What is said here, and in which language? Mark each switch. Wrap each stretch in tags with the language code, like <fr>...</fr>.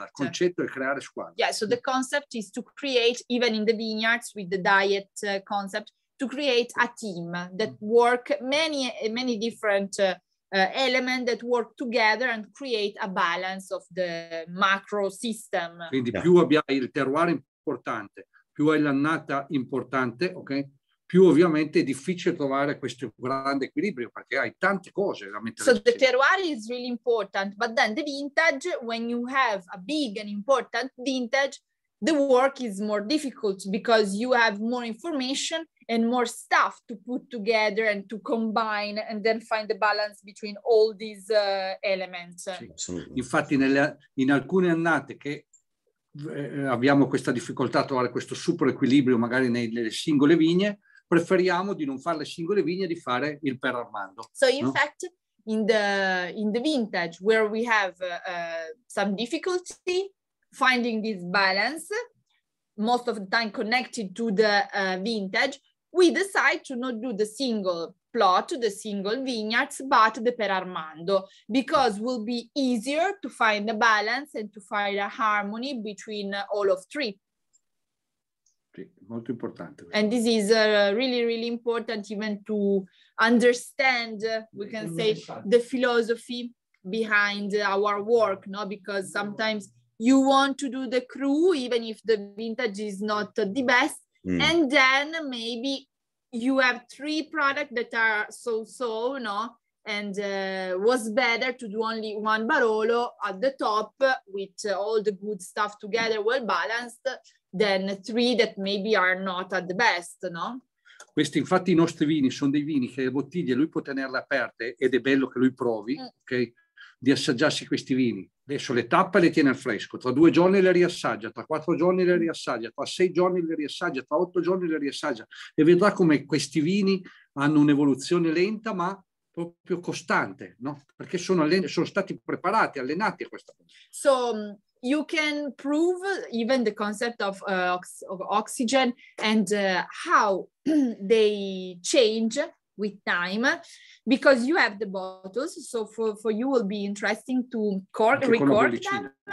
<it>La squadra, il concetto è creare squadra.</it> <en>Yeah, so the concept is to create, even in the vineyards with the diet concept, to create a team that work many different elements that work together and create a balance of the macro system.</en> <it>Quindi più abbiamo il terroir importante, più hai l'annata importante, ok? Più ovviamente è difficile trovare questo grande equilibrio perché hai tante cose da mettere.</it> <en>So the terroir is really important, but then the vintage, when you have a big and important vintage, the work is more difficult because you have more information and more stuff to put together and to combine and then find the balance between all these elements.</en> <it>Sì, infatti in alcune annate che abbiamo questa difficoltà a trovare questo super equilibrio magari nelle singole vigne, preferiamo di non fare le singole vigne, di fare il per Armando.</it> <en>So in fact, in the vintage where we have some difficulty finding this balance, most of the time connected to the vintage, we decide to not do the single plot, the single vineyards, but the per Armando, because will be easier to find the balance and to find a harmony between all of three.</en> <it>Sì, molto importante.</it> <en>And this is really, really important even to understand, we can say, the philosophy behind our work, no? Because sometimes you want to do the cru, even if the vintage is not the best, and then maybe you have three products that are so-so, no? And was better to do only one Barolo at the top with all the good stuff together, well-balanced, than three that maybe are not at the best, no?</en> <it>Questi infatti i nostri vini sono dei vini che le bottiglie lui può tenerle aperte ed è bello che lui provi, ok? Di assaggiarsi questi vini. Adesso le tappe le tiene al fresco, tra due giorni le riassaggia, tra quattro giorni le riassaggia, tra sei giorni le riassaggia, tra otto giorni le riassaggia e vedrà come questi vini hanno un'evoluzione lenta ma proprio costante, no? Perché sono stati preparati, allenati a questa cosa.</it> <en>So, you can prove even the concept of oxygen and how they change with time because you have the bottles. So for you will be interesting to record them.</en>